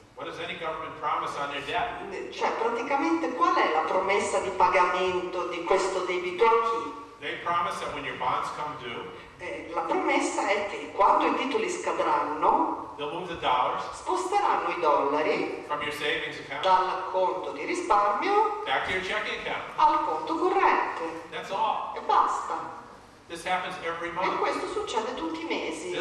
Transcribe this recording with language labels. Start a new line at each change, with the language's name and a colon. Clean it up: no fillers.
English: What does any government promise on their debt?
Italian: Cioè, praticamente, qual è la promessa di pagamento di questo debito a chi?
English: They promise that when your bonds come due,
Italian: la promessa è che quando i titoli scadranno,
English: they'll move the dollars
Italian: sposteranno i dollari
English: from your savings account
Italian: dal conto di risparmio
English: back to your checking account
Italian: al conto corrente.
English: That's all.
Italian: E basta.
English: This happens every month.
Italian: E questo succede tutti i mesi.